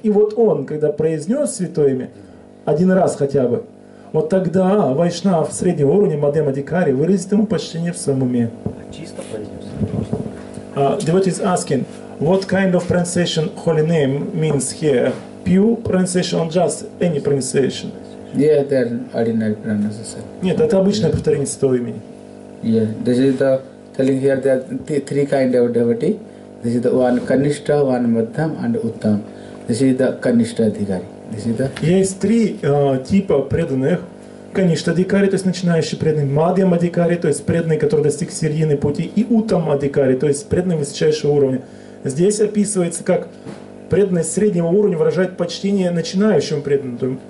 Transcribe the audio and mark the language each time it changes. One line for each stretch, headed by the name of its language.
Russian: И вот он, когда произнес святое имя, один раз хотя бы, вот тогда вайшнав среднего уровня, Мадхьяма Дикари, выразит ему почтение в своем уме. Чисто произнес.
English: Devotee is asking, what kind of pronunciation holy name means here? Pure pronunciation or just any pronunciation? Yeah, they are ordinary pronunciation.
Russian: Нет, это обычное повторение святого имени.
English: Yeah, this is the telling here, there are three kind of devotee. This is the one Kanishta, one Madhyam and Uttam. This is the Kanishta Dikari. This is the...
Russian: Есть три типа преданных. Kanishta Dikari, то есть начинающий преданный. Madhyama Dikari, то есть преданный, который достиг середины пути. И Uttama Dikari, то есть преданный высочайшего уровня. Здесь описывается, как преданность среднего уровня выражает почтение начинающему преданному.